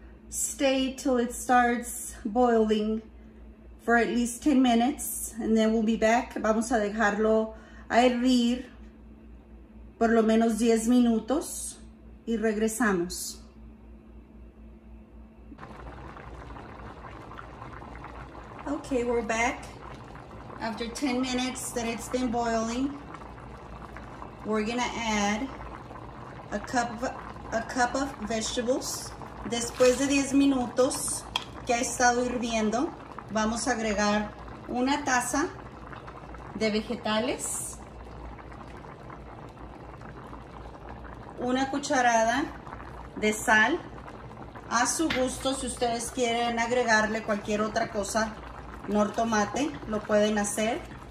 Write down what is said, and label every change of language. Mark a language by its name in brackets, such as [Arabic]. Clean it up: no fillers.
[English] Stay till it starts boiling for at least 10 minutes and then we'll be back. [Spanish] Vamos a dejarlo a hervir por lo menos 10 minutos y regresamos. [English] Okay, we're back. After 10 minutes that it's been boiling, we're gonna add a cup of vegetables. [Spanish] Después de 10 minutos que ha estado hirviendo, vamos a agregar 1 taza de vegetales, 1 cucharada de sal, a su gusto, si ustedes quieren agregarle cualquier otra cosa, nor tomate, lo pueden hacer.